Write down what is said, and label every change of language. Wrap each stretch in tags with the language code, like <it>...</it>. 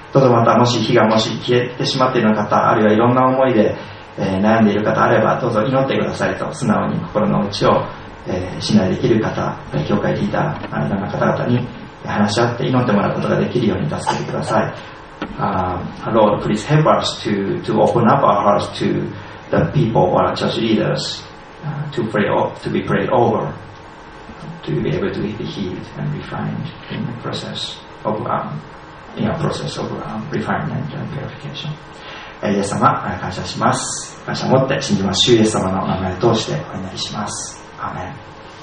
<ja>どうぞまた、もし火がもし消えてしまっている方、あるいはいろんな思いで、悩んでいる方あれば、どうぞ祈ってくださいと素直に心の内を、信頼できる方、教会リーダーのような方々に話し合って祈ってもらうことができるように助けてください。</ja> <en>Lord, please help us to open up our hearts to the people or church leaders to be prayed over to be able to be healed and refined in the process ofIn a process of refinement and purification.</en> <ja>イエス様、感謝します。感謝を持って信じます。主イエス様の名前を通してお祈りします。アーメン。</ja>